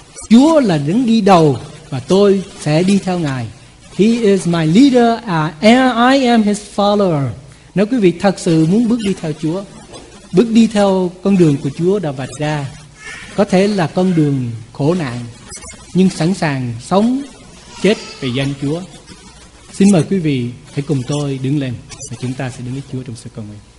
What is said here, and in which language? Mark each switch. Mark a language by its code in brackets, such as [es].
[vi] Chúa là đứng đi đầu và tôi sẽ đi theo Ngài. [en] He is my leader and I am his follower. [vi] Nếu quý vị thật sự muốn bước đi theo Chúa, bước đi theo con đường của Chúa đã vạch ra, có thể là con đường khổ nạn, nhưng sẵn sàng sống chết vì danh Chúa. Xin mời quý vị hãy cùng tôi đứng lên và chúng ta sẽ đứng với Chúa trong sự cầu nguyện.